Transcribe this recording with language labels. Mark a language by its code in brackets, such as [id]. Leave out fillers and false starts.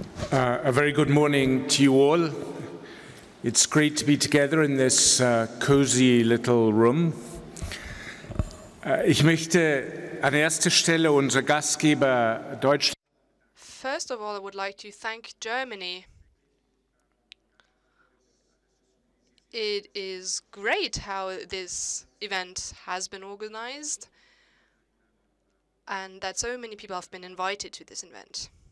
[en] A very good morning to you all. It's great to be together in this cozy little room. [de] Ich möchte an erster Stelle unser Gastgeber Deutschland. [en] First of all, I would like to thank Germany. It is great how this event has been organized and that so many people have been invited to this event.